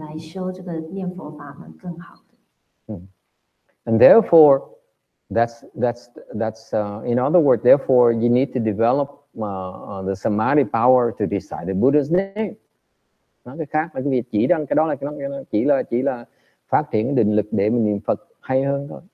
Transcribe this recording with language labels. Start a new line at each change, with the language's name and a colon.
Chinese: 所以没有比这个有很好的定力来修这个念佛法门更好的。
English: And therefore, that's in other words, therefore you need to develop the samadhi power to decide the Buddha's name.
Vietnamese: Nói cái khác, cái việc chỉ rằng cái đó là chỉ là phát triển định lực để mình niệm Phật hay hơn thôi.